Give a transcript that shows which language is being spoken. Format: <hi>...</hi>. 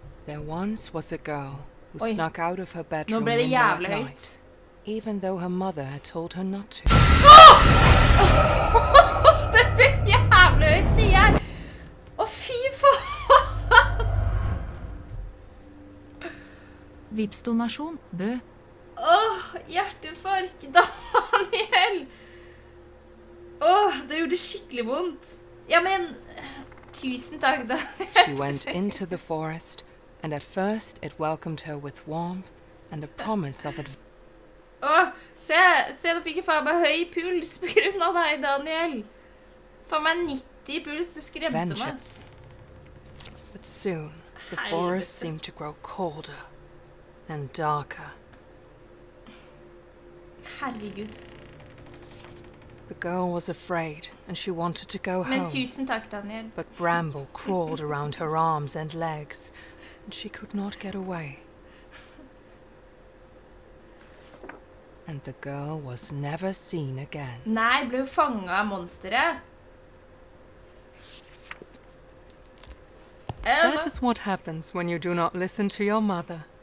<en>There once was a girl who snuck out of her bedroom in the dark night. Even though her mother had told her not to.</en> <no>Det ble jævlig høyt, sier jeg! Åh, fy faen! Vipsdonasjon, Bø. Åh, hjertefark, Daniel! Åh, det gjorde skikkelig vondt. Ja, men... tusen takk, da.</no> <en>She went into the forest, and at first it welcomed her with warmth and a promise of</en> <no>Åh, se, da fikk jeg faen meg høy puls på grunn av deg, Daniel. Faen meg 90 puls, du skremte meg.</no> <en>But soon, the forest seemed to grow colder and darker.</en> <no>Herregud.</no> <en>The girl was afraid, and she wanted to go home.</en> <no>Men tusen takk, Daniel.</no> <en>But Bramble crawled around her arms and legs, and she could not get away. And the girl was never seen again.</en> <no>Nei, ble hun fanget av monsteret.</no> <en>That is what happens when you do not listen to your mother.</en>